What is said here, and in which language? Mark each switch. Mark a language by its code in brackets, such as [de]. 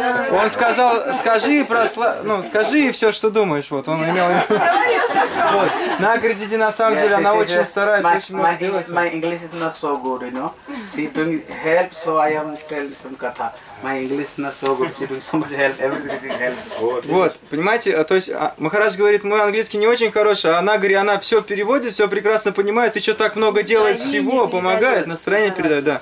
[ru] Он сказал, скажи про скажи все, что думаешь. Вот он имел. Вот. Нагари Диди на самом деле, она очень старается, очень много делает. [en] My English is not so good, you know. She doing help, so I am tell some katha. My English is not so good, she doing so much help, everything help. [ru] Вот, понимаете, то есть Махарадж говорит, мой английский не очень хороший, а Нагари, она все переводит, все прекрасно понимает, еще так много делает всего, помогает, настроение передает, да.